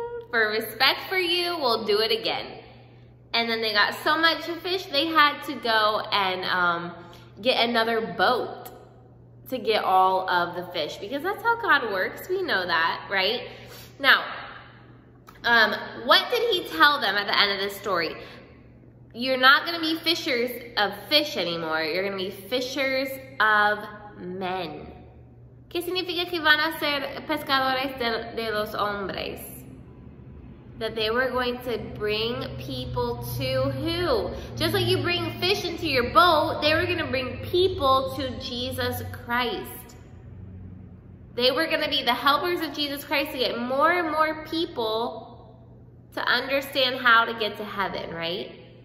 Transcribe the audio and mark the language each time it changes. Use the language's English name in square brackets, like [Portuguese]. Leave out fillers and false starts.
[English] For respect for you, we'll do it again. And then they got so much fish, they had to go and get another boat to get all of the fish, because that's how God works. We know that, right? Now, what did he tell them at the end of this story? You're not gonna be fishers of fish anymore. You're gonna be fishers of men. [Spanish] ¿Qué significa que van a ser pescadores de los hombres? [English] That they were going to bring people to who? Just like you bring fish into your boat, they were going to bring people to Jesus Christ. They were going to be the helpers of Jesus Christ to get more and more people to understand how to get to heaven, right?